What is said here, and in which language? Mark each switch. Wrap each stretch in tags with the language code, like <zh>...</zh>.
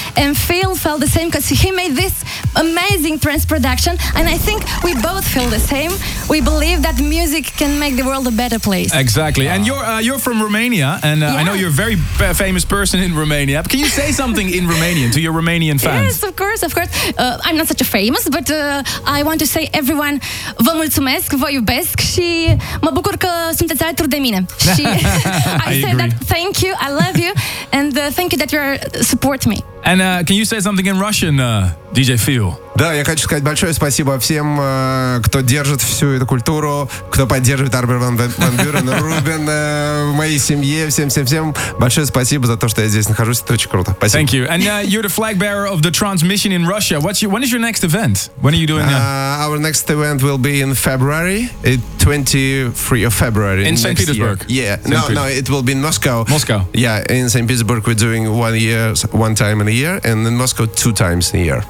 <en>And Phil felt the same, because he made this amazing trance production. And I think we both feel the same. We believe that music can make the world a better place. Exactly. And you're from Romania. And yes. I know you're a very famous person in Romania. Can you say something in Romanian to your Romanian fans? Yes, of course, of course. I'm not such a famous, but I want to say everyone,</en> <ro>vă mulțumesc, vă iubesc și mă bucur că sunteți alături de mine.</ro> <en>I said thank you, I love you, and thank you that you support me. And can you say something in Russian? DJ Phil.</en> <ru>Да, я хочу сказать большое спасибо всем, кто держит всю эту культуру, кто поддерживает Арбер Ван Бюрен, Рубен, в моей семье, всем-всем-всем. Большое спасибо за то, что я здесь нахожусь. Это очень круто. Спасибо.</ru> <en>Thank you. And you're the flag bearer of the transmission in Russia. When is your next event? When are you doing that? Our next event will be in February, 23rd of February. In St. Petersburg? Year. Yeah. It will be in Moscow. Moscow. Yeah, in St. Petersburg we're doing one time in a year, and in Moscow two times a year.</en>